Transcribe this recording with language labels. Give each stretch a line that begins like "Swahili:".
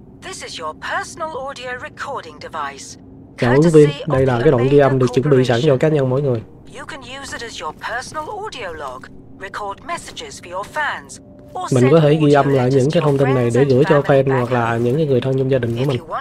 English: This is your personal audio recording device.
Vietnamese: Cảm ơn viên, đây là cái đoạn ghi âm được chuẩn bị sẵn cho cá nhân mỗi người.
English: You can use it as your personal audio log. Record messages for your fans.
Vietnamese: Mình có thể ghi âm lại những cái thông tin này để gửi cho fan hoặc là những cái người thân trong gia đình của mình.